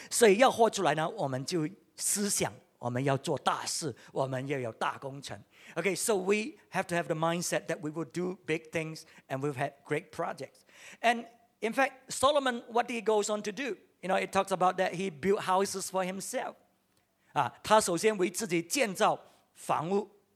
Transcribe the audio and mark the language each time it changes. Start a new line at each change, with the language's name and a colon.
Chinese: 所以要活出来呢，我们就思想，我们要做大事，我们要有大工程。
English: Okay, so we have to have the mindset that we will do big things and we've had great projects. And in fact, Solomon, what he goes on to do? You know, it talks about that he built houses for himself.
Chinese: 他首先为自己建造房屋。